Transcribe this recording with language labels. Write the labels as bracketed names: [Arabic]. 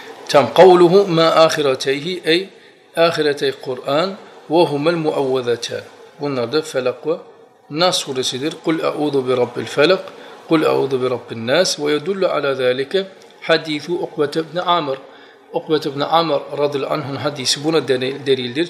[Arabic] تم قوله ما آخرتيه أي آخرتي القرآن وهما المعوذتان. [Turkish] Bunlar da Felak ve Nas suresidir. [Arabic] قل أعوذ برب الفلق قل أعوذ برب الناس ويدل على ذلك حديث عقبة بن عامر. عقبة بن عامر رضي الله عنه حديث [Turkish] buna delildir.